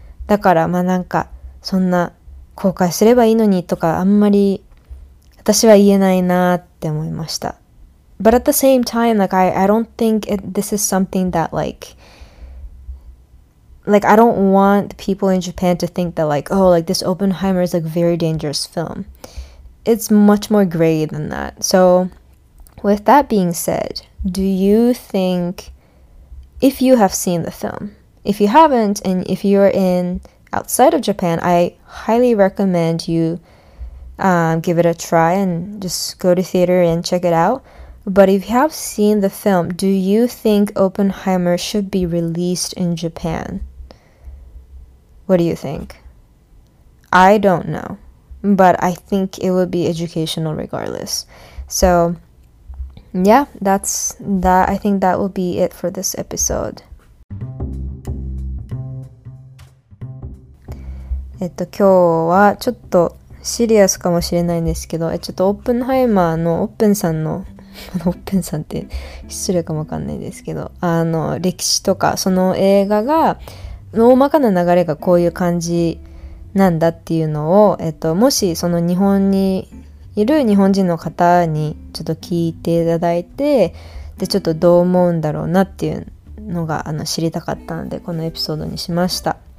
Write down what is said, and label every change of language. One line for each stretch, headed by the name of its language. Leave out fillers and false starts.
Japanese: だからまあなんかそんな公開すればいいのにとかあんまり私は言えないなって思いました。
English: But at the same time, like, I don't think this is something that, like, I don't want people in Japan to think that, like, oh, like, this Oppenheimer is, like, very dangerous film. It's much more gray than that. So, with that being said, do you think, if you have seen the film, if you haven't, and if you're in outside of Japan, I highly recommend you give it a try and just go to theater and check it out. But if you have seen the film, do you think Oppenheimer should be released in Japan? What do you think? I don't know. But I think it would be educational regardless. So, Yeah, that's that. I think that will be it for this episode.
Japanese: 今日はちょっとシリアスかもしれないんですけど、ちょっとオッペンハイマーのオッペンさんのオッペンさんって失礼かもわかんないですけど、歴史とかその映画が大まかな流れがこういう感じなんだっていうのを、もしその日本にいる日本人の方にちょっと聞いていただいて、でちょっとどう思うんだろうなっていうのが知りたかったので、このエピソードにしました。